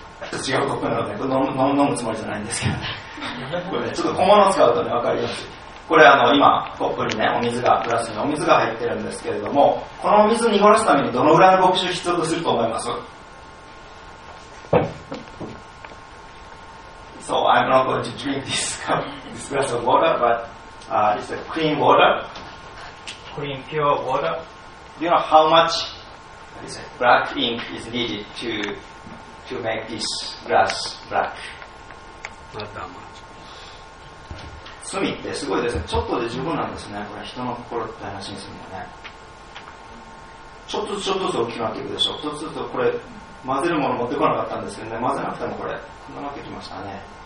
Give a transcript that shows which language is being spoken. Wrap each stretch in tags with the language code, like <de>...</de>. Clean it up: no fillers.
<ja>ちょっと違うコップなので、これ飲むつもりじゃないんですけどね。これね、ちょっと小物使うとね、分かりやすい。これ今、コップにね、お水が、グラスにお水が入ってるんですけれども、このお水を濁らすためにどのぐらいの牧師を必要とすると思います？</ja> <en>So I'm not going to drink this cup, this glass of water, but it's a clean water. Clean, pure water. Do you know how much black ink is needed to make this glass black? Not that much.</en> <ja>罪ってすごいですね。ちょっとで十分なんですね。これ人の心って話にするのね。ちょっとずつちょっとずつ大きくなっていくでしょう。ちょっとずつこれ混ぜるもの持ってこなかったんですけどね。混ぜなくてもこれ、こんななってきましたね。</ja>